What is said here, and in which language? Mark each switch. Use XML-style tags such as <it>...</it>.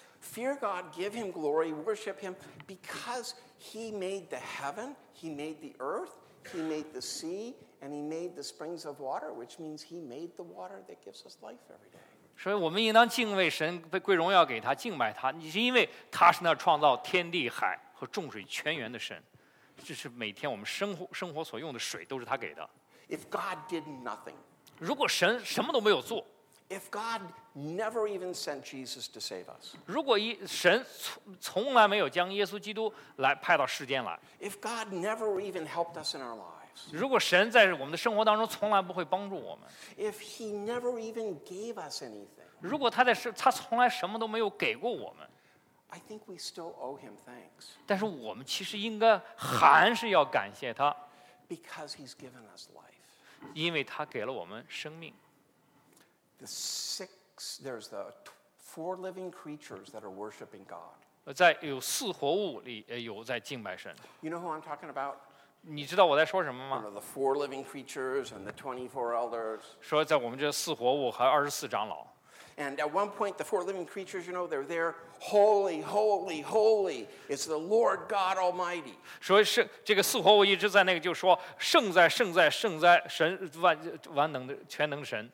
<en>Fear God, give Him glory, worship Him, because He made the heaven, He made the earth, He made the sea, and He made the springs of water, which means He made the water that gives us life every day.</en> <zh>所以我们应当敬畏神，归荣耀给他，敬拜他，是因为他是那创造天地海和众水泉源的神，这是每天我们生活所用的水都是他给的。</zh> <en>If God did nothing,</en> <zh>如果神什么都没有做。</zh> <en>If God never even sent Jesus to save us,</en> <zh>如果神从来没有将耶稣基督来派到世间来</zh> <en>，If God never even helped us in our lives,</en> <zh>如果神在我们的生活当中从来不会帮助我们</zh> <en>，If He never even gave us anything,</en> <zh>如果他从来什么都没有给过我们</zh> <en>，I think we still owe Him thanks.</en> <zh>但是我们其实应该还是要感谢他</zh> <en>，Because He's given us life,</en> <zh>因为他给了我们生命。</zh> <en>The six, there's the four living creatures that are worshiping God.</en> <zh>在有四活物里有在敬拜神。</zh> <en>You know who I'm talking about?</en> <zh>你知道我在说什么吗</zh> <en>？One of the four living creatures and the 24 elders.</en> <zh>说在我们这四活物和二十四长老。</zh> <en>And at one point, the four living creatures, you know, they're there, holy, holy, holy. It's the Lord God Almighty.</en> <zh>说是这个四活物一直在那个就说圣在圣在圣在神万能的全能神。</zh>